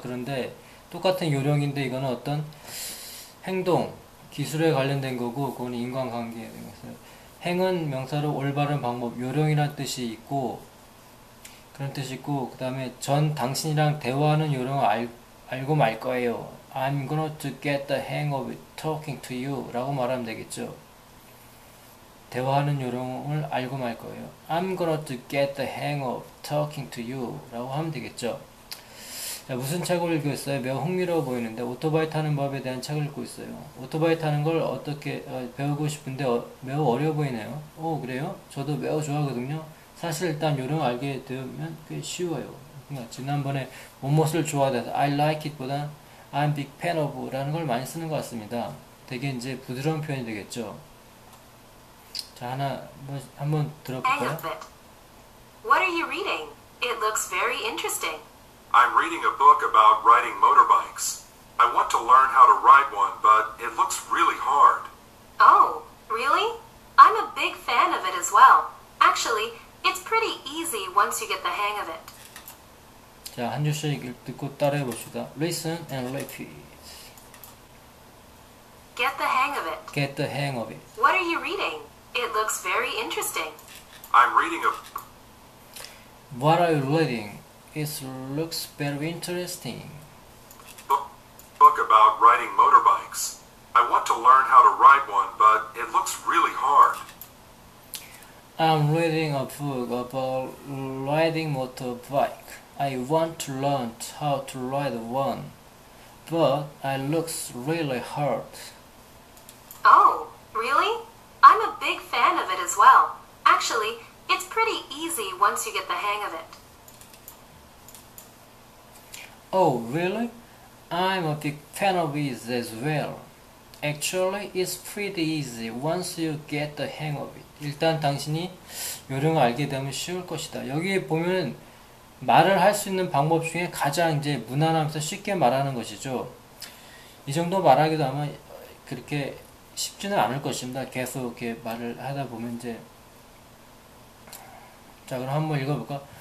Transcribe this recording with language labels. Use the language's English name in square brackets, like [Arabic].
[Korean] 그런데 똑같은 요령인데 이거는 어떤 행동, 기술에 관련된 거고, 그건 인간관계에 관련된 거예요. 행은 명사로 올바른 방법, 요령이란 뜻이 있고, 그런 뜻이 있고, 그 다음에 전 당신이랑 대화하는 요령을 알고 말 거예요. [English] I'm gonna to get the hang of it, talking to you [Korean] 라고 말하면 되겠죠. 대화하는 요령을 알고 말 거예요. [English] I'm gonna to get the hang of talking to you [Korean] 라고 하면 되겠죠. 자, 무슨 책을 읽고 있어요? 매우 흥미로워 보이는데, 오토바이 타는 법에 대한 책을 읽고 있어요. 오토바이 타는 걸 어떻게 배우고 싶은데 매우 어려워 보이네요. 오, 그래요? 저도 매우 좋아하거든요. 사실 일단 요령 알게 되면 꽤 쉬워요. 그러니까 지난번에 몸멋을 좋아해서 [English] I like it [Korean] 보단 [English] I'm big fan of [Korean] 라는 걸 많이 쓰는 것 같습니다. 되게 이제 부드러운 표현이 되겠죠. 자, 하나 한번 [English] Hang of [Korean] 들어볼까요? [English] it. What are you reading? It looks very interesting. I'm reading a book about riding motorbikes. I want to learn how to ride one, but it looks really hard. Oh, really? I'm a big fan of it as well. Actually, it's pretty easy once you get the hang of it. 자, 한 줄씩 듣고 따라해 봅시다. Listen and repeat. Get the hang of it. Get the hang of it. What are you reading? It looks very interesting. I'm reading a What are you reading? It looks very interesting. book about riding motorbikes. I want to learn how to ride one, but it looks really hard. I'm reading a book about riding motorbike. I want to learn how to ride one, but I look really hard. Oh, really? I'm a big fan of it as well. Actually, it's pretty easy once you get the hang of it. Oh, really? I'm a big fan of it as well. Actually, it's pretty easy once you get the hang of it. [Korean] 일단 당신이 요령을 알게 되면 쉬울 것이다. 여기 보면 말을 할 수 있는 방법 중에 가장 이제 무난하면서 쉽게 말하는 것이죠. 이 정도 말하기도 아마 그렇게 쉽지는 않을 것입니다. 계속 이렇게 말을 하다 보면 이제 자 그럼 한번 읽어볼까?